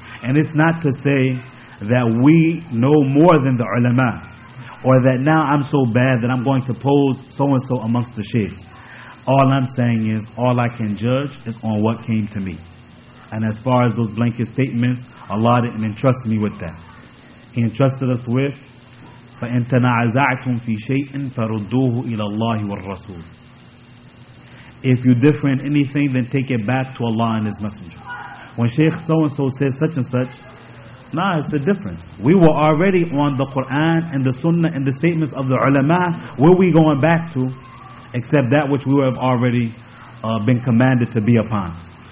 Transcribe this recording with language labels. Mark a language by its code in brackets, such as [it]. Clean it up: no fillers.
[en] And it's not to say that we know more than the ulama, or that now I'm so bad that I'm going to pose so and so amongst the shaykhs. All I'm saying is, all I can judge is on what came to me. And as far as those blanket statements, Allah didn't entrust me with that. He entrusted us with, [ar] فَإِن تَنَعَزَعْتُمْ فِي شَيْءٍ فَرُدُّوهُ إِلَى اللَّهِ وَالرَّسُولِ. [en] If you differ in anything, then take it back to Allah and His Messenger. When Shaykh so-and-so says such and such, nah, it's a difference. We were already on the Quran and the Sunnah and the statements of the ulama. Where are we going back to, except that which we have already been commanded to be upon?